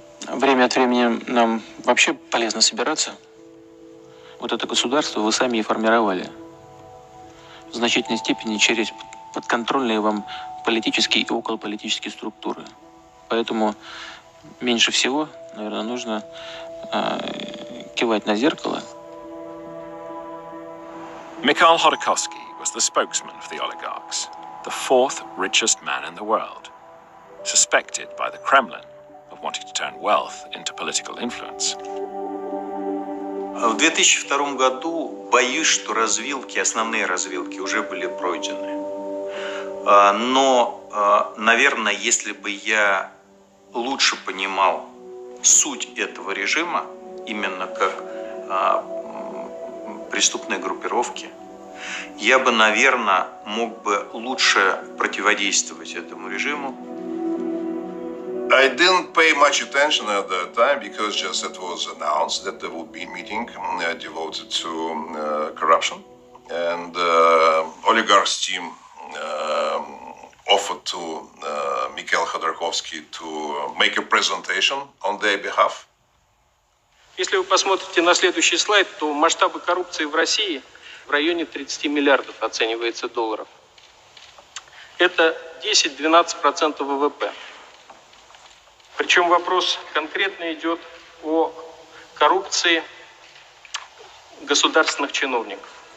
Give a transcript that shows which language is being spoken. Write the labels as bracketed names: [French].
[Russian] Время от времени нам вообще полезно собираться. Вот это государство вы сами и формировали. В значительной степени через подконтрольные вам политические и околополитические структуры. Поэтому меньше всего, наверное, нужно кивать на зеркало. [English] Mikhail Khodorkovsky was the spokesman for the oligarchs, the fourth richest man in the world, suspected by the Kremlin. Wanting to turn wealth into political influence. [Russian] В 2002 году боюсь, что развилки, основные развилки уже были пройдены. Но, наверное, если бы я лучше понимал суть этого режима, именно как преступной группировки, я бы, наверное, мог бы лучше противодействовать этому режиму. [English] I didn't pay much attention at that time because just it was announced that there would be a meeting devoted to corruption. And the oligarch's team offered to Mikhail Khodorkovsky to make a presentation on their behalf. [Russian] Если вы посмотрите на следующий слайд, то масштабы коррупции в России в районе 30 миллиардов оценивается долларов. Это 10-12% ВВП. Причем вопрос конкретно идет о коррупции государственных чиновников.